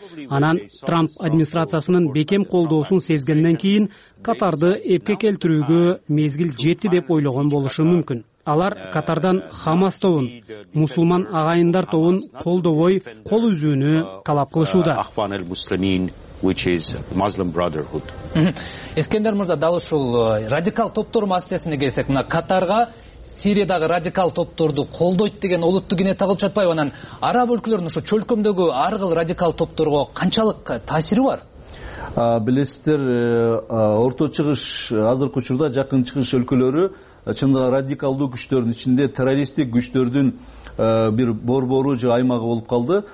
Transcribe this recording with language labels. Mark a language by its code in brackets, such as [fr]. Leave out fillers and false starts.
[ky] Анан Трамп администрациясынын бекем колдоосун сезгенден кийин Катарды эпке келтирүүгө мезгил жетти деп ойлогон болушу мүмкүн. Алар Катардан Хамас тобун, мусулман агайындар тобун колдобой, кол үзүүнү талап кылышууда. [en] Which is Muslim Brotherhood. [ky] Эскендер мырза, дал ушул радикал топтор маселесине келсек, мына Катарга Сириядагы радикал топторду колдойт деген олуттуу кине тагылып жатпайбы? Анан араб өлкөлөрүнүн ушу чөлкөмдөгү ар кыл радикал топторго канчалык таасири бар? Билесиздер, Орто Чыгыш азыркы учурда жакын чыгыш өлкөлөрү чындыгы радикалдуу күчтөрдүн ичинде террористтик күчтөрдүн бир борбору же аймагы болуп калды.